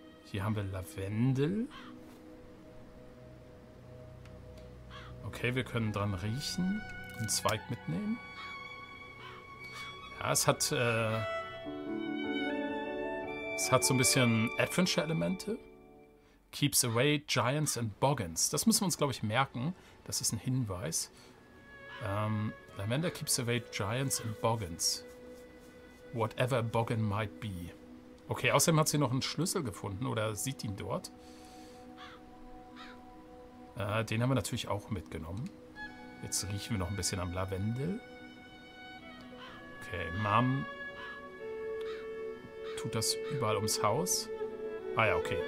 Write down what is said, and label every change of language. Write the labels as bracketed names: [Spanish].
[German] Hier haben wir Lavendel. Okay, wir können dran riechen. Einen Zweig mitnehmen. Ja, es hat es hat so ein bisschen Adventure-Elemente. [English] Keeps away Giants and Boggins. [German] Das müssen wir uns, glaube ich, merken. Das ist ein Hinweis. [English] Lavender keeps away Giants and Boggins. whatever Boggin might be. [German] Okay, außerdem hat sie noch einen Schlüssel gefunden oder sieht ihn dort. Den haben wir natürlich auch mitgenommen. Jetzt riechen wir noch ein bisschen am Lavendel. Okay, Mom tut das überall ums Haus. Ah ja, okay.